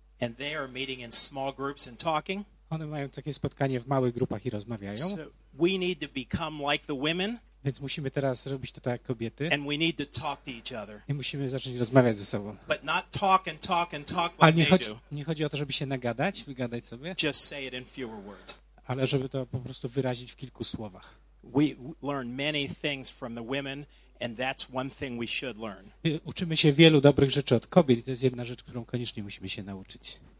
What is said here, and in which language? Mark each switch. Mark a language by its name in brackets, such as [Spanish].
[English] And they are meeting in small groups and talking. [Polish] One mają takie spotkanie w małych grupach i rozmawiają. [English] So we need to become like the women. [Polish] Więc musimy teraz robić to tak jak kobiety. [English] And we need to talk to each other. [Polish] I musimy zacząć rozmawiać ze sobą. [English] But not talk and talk and talk like they do. [Polish] Ale nie chodzi o to, żeby się nagadać, wygadać sobie. [English] Just say it in fewer words. [Polish] Ale żeby to po prostu wyrazić w kilku słowach. [English] We learn many things from the women, and that's one thing we should learn. [Polish] Uczymy się wielu dobrych rzeczy od kobiet i to jest jedna rzecz, którą koniecznie musimy się nauczyć.